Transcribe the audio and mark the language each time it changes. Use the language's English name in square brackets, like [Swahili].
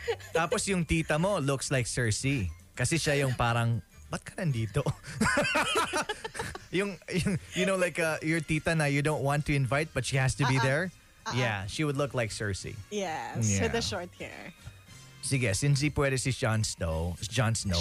[Filipino] Tapos yung tita mo looks like Cersei. Kasi siya yung parang, ba't ka nandito? [English] yung, you know, like your tita na you don't want to invite but she has to be there. Yeah, she would look like Cersei. Yes, with the short hair. [Filipino] Sige, since si pwede si Jon Snow. Jon Snow.